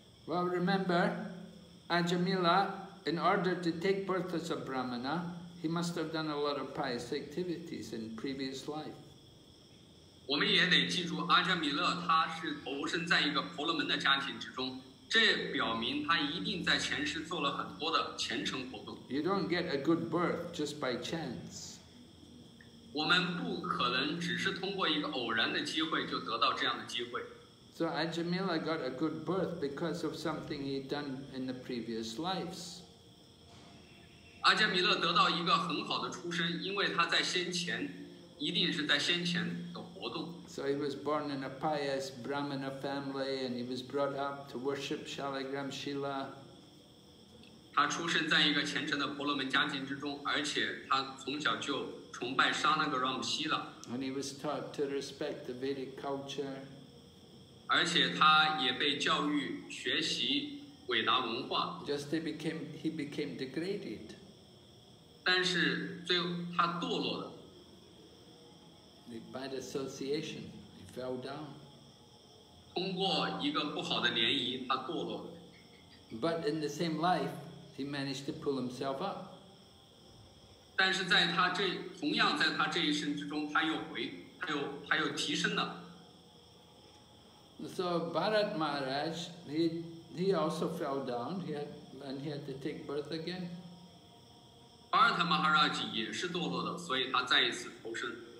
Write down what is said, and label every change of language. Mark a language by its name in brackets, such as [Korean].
[English] Well, remember, Ajāmila, in order to take birth as a Brahmana, he must have done a lot of pious activities in previous life. [Chinese] 我们也得记住，阿加米勒他是投生在一个婆罗门的家庭之中，这表明他一定在前世做了很多的虔诚活动。 [English] You don't get a good birth just by chance. [Chinese] 我们不可能只是通过一个偶然的机会就得到这样的机会。 [English] So Ajāmila got a good birth because of something he'd done in the previous lives. [Chinese] Ajāmila 得到一个很好的出身，因为他在先前，一定是在先前的活动。 [English] So he was born in a pious Brahmana family, and he was brought up to worship Shalagram Shila. [Chinese] 他出生在一个虔诚的婆罗门家庭之中，而且他从小就崇拜沙那格让姆希拉。 [English] And he was taught to respect the Vedic culture. [Chinese] 而且他也被教育学习伟达文化。 [English] Just he became degraded. [Chinese] 但是最后他堕落了。 [English] By the association, he fell down. [Chinese] 通过一个不好的联谊，他堕落了。 [English] But in the same life, he managed to pull himself up. [Chinese] 但是在他这同样在他这一生之中，他又提升了。 [English] So Bharat Maharaj, he also fell down, he had to take birth again. [Chinese] Bharat Maharaj 也是堕落的，所以他再一次投生。